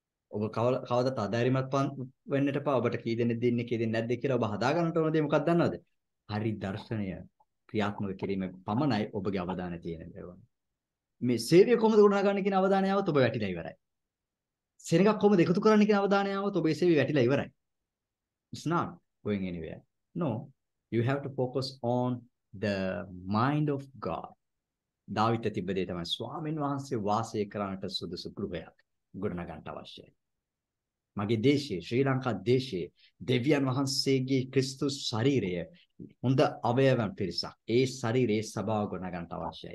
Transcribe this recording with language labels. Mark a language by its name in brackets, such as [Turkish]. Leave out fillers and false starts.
[Sinhala] ඔබ කවදාවත් අධෛර්යමත් වෙන්නට එපා. ඔබට කී දෙනෙක් දෙන්නේ කී දෙනෙක් නැද්ද කියලා ඔබ හදා ගන්නට ඕන දේ මොකක්ද දන්නවද? හරි දර්ශනය ක්‍රියාත්මක කිරීම පමණයි ඔබගේ අවධානය තියෙන්නේ. මේ සේවය කොහොමද ගොඩනගන්නේ කියන අවධානයාවත් ඔබ වැටිලා ඉවරයි. සෙනඟක් කොහොමද එකතු කරන්න කියන අවධානයාවත් ඔබේ සේවය වැටිලා ඉවරයි. [English] It's not going anywhere. No, you have to focus on the mind of God. [Sinhala] දාවිත තිබ්බ දේ තමයි ස්වාමීන් වහන්සේ වාසය කරන්නට සුදුසු ගෘහයක් ගොඩනගන්න අවශ්‍යයි. මගේ දේශයේ ශ්‍රී ලංකා දේශයේ දෙවියන් වහන්සේගේ ක්‍රිස්තුස් ශරීරය හොඳ අවයවන් පිරිසක් ඒ ශරීරයේ සභාව ගොඩනගන්න අවශ්‍යයි.